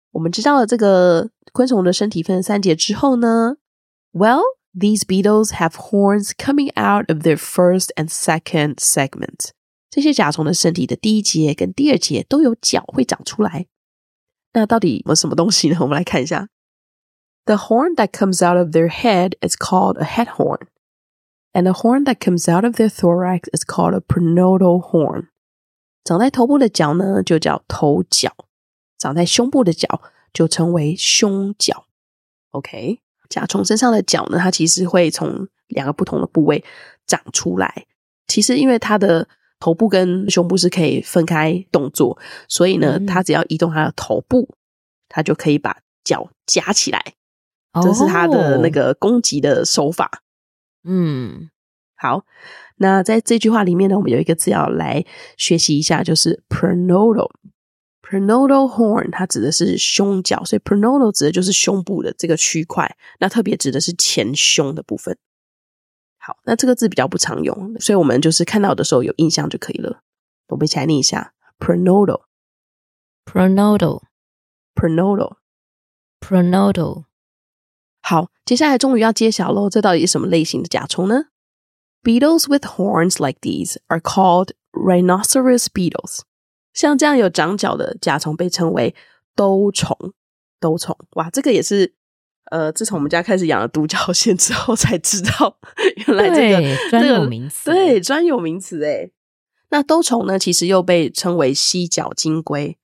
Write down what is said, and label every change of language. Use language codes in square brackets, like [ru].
[zh] 我们知道了这个昆虫的身体分成三节之后呢， [en] Well, these beetles have horns coming out of their first and second segment. [zh] 这些甲虫的身体的第一节跟第二节都有脚会长出来。那到底有什么东西呢？我们来看一下。 [en] The horn that comes out of their head is called a head hornAnd the horn that comes out of their thorax is called a pronotal horn. [zh] 长在头部的角呢就叫头角，长在胸部的角就称为胸角。 OK， 甲虫身上的角呢，它其实会从两个不同的部位长出来，其实因为它的头部跟胸部是可以分开动作，所以呢它只要移动它的头部，它就可以把脚夹起来，这是它的那个攻击的手法。好，那在这句话里面呢，我们有一个字要来学习一下，就是 pronotal。 pronotal horn 它指的是胸角，所以 pronotal 指的就是胸部的这个区块，那特别指的是前胸的部分。好，那这个字比较不常用，所以我们就是看到的时候有印象就可以了。我们一起来念一下 pronotal [en] pronotal pronotal pronotal。 [zh] 好，接下来终于要揭晓咯，这到底是什么类型的甲虫呢？ [en] Beetles with horns like these are called rhinoceros beetles。 [zh] 像这样有长角的甲虫被称为兜虫。兜虫，哇，这个也是自从我们家开始养了独角仙之后才知道原来这个专有名词。对，专有名词。诶，那兜虫呢其实又被称为犀角金龟。